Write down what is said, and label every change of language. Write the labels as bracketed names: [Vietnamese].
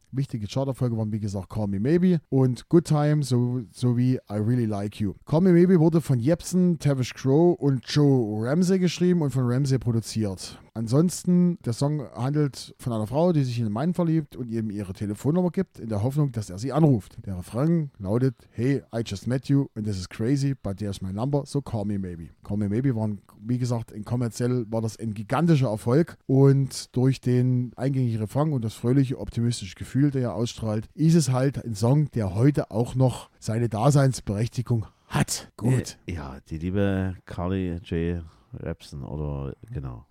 [German] Wichtige Charterfolge waren, wie gesagt, Call Me Maybe und Good Time sowie I Really Like You. Call Me Maybe wurde von Jepsen, Tavish Crowe und Joe Ramsey geschrieben und von Ramsey produziert. Ansonsten, der Song handelt von einer Frau, die sich in einen Mann verliebt und ihm ihre Telefonnummer gibt, in der Hoffnung, dass er sie anruft. Der Refrain lautet, [English] hey, I just met you and this is crazy, but there's my number, so call me maybe. [German] Call Me Maybe war, wie gesagt, kommerziell war das ein gigantischer Erfolg und durch den eingängigen Refrain und das fröhliche, optimistische Gefühl, der er ausstrahlt, ist es halt ein Song, der heute auch noch seine Daseinsberechtigung hat. Gut. Ja, die liebe Carly J. Jepsen oder genau.